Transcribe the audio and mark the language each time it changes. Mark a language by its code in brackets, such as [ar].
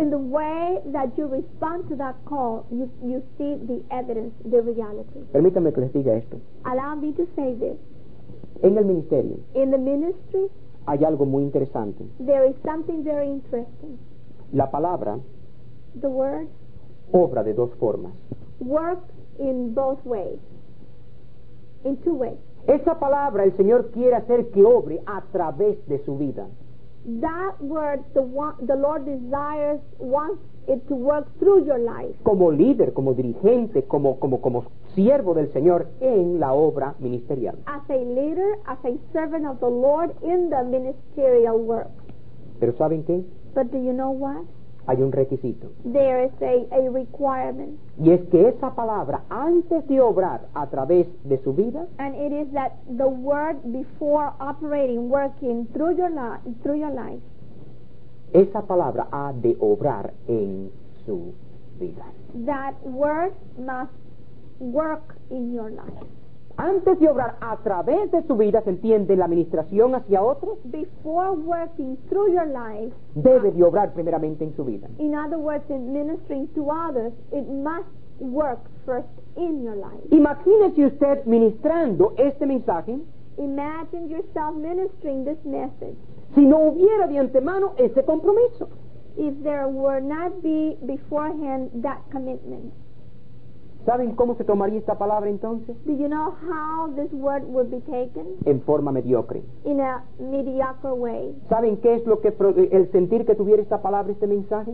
[en] In the way that you respond to that call, you see the evidence, the reality. [es] Permítame que les diga esto. [en] Allow me to say this. [es] En el ministerio. [en] In the ministry. [es] Hay algo muy interesante. [en] There is something very interesting. [es] La palabra. [en] The word. [es] Obra de dos formas. [en] Works in both ways. In two ways. [es] Esa palabra el Señor quiere hacer que obre a través de su vida. [en] That word the Lord desires, wants it to work through your life. [es] Como líder, como dirigente, como siervo del Señor en la obra ministerial. [en] As a leader, as a servant of the Lord in the ministerial work. [es] ¿Pero saben qué? [en] But do you know what? [es] Hay un requisito. [en] There is a requirement. [es] Y es que esa palabra antes de obrar a través de su vida. [en] And it is that the word before operating, working through your life. [es] Esa palabra ha de obrar en su vida. [en] That word must work in your life. [es] Antes de obrar a través de su vida, ¿se entiende la administración hacia otros? [en] Before working through your life, [es] debe de obrar primeramente en su vida. [en] In other words, in ministering to others, it must work first in your life. [es] Imagínese usted ministrando este mensaje. [en] Imagine yourself ministering this message. [es] Si no hubiera de antemano ese compromiso. [en] If there were not be beforehand that commitment. [es] ¿Saben cómo se tomaría esta palabra entonces? [en] Do you know how this word would be taken? [es] En forma mediocre. [en] In a mediocre way. [es] ¿Saben qué es lo que el sentir que tuviera esta palabra, este mensaje?